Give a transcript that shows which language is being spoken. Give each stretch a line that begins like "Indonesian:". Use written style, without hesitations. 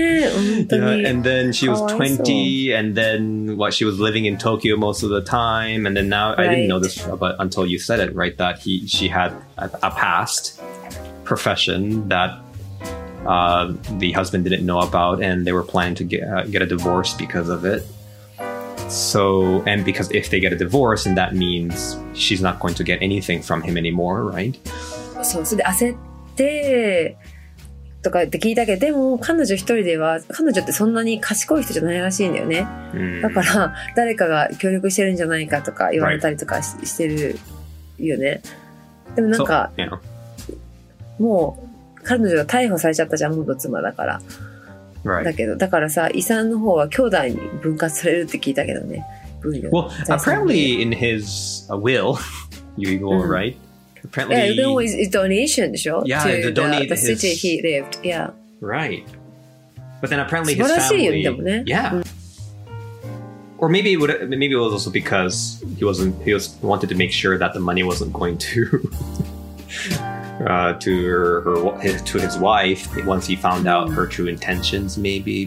English: And then she was 20, and then what, she was living in Tokyo most of the time, and then now, right. I didn't know this but until you said it, right, that she had a past profession that the husband didn't know about, and they were planning to get a divorce because of it. So, and because if they get a divorce, and that means she's not going to get anything from him anymore, right? So they
Japanese: 焦ってとかって聞いたけど、でも彼女一人では彼女ってそんなに賢い人じゃないらしいんだよね。だから誰かが協力してるんじゃないかとか言われたりとかしてるよね。でもなんか、もう彼女が逮捕されちゃったじゃん、元妻だから。
English: Right.
Japanese: だけどだからさ、遺産の方は兄弟に分割されるって聞いたけどね。
English: Well, apparently in his will, you go right. Apparently, yeah, the will is donation,
Japanese: でしょ?
English: Yeah, to the city he lived. Yeah. Right. But then apparently his family.
Japanese: 素晴らしいよ、でもね。
English: Yeah. Or maybe it was also because he wanted to make sure that the money wasn't going to his wife once he found out her true intentions, maybe.